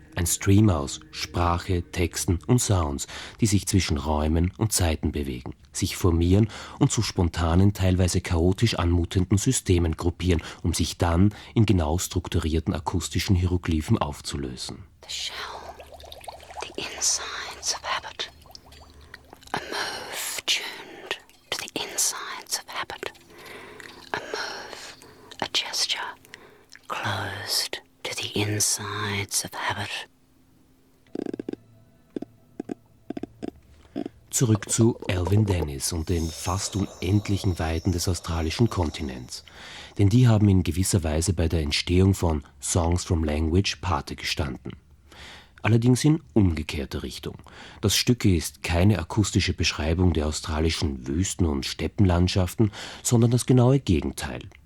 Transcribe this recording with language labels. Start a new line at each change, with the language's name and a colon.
German: Ein Stream aus Sprache, Texten und Sounds, die sich zwischen Räumen und Zeiten bewegen, sich formieren und zu spontanen, teilweise chaotisch anmutenden Systemen gruppieren, um sich dann in genau strukturierten akustischen Hieroglyphen aufzulösen.
English: The shell, the insides of habit. A move tuned to the insides of habit. A move, a gesture. Closed to the insides of habit.
German: Zurück zu Elvin Dennis und den fast unendlichen Weiten des australischen Kontinents. Denn die haben in gewisser Weise bei der Entstehung von Songs from Language Pate gestanden. Allerdings in umgekehrter Richtung. Das Stück ist keine akustische Beschreibung der australischen Wüsten- und Steppenlandschaften, sondern das genaue Gegenteil.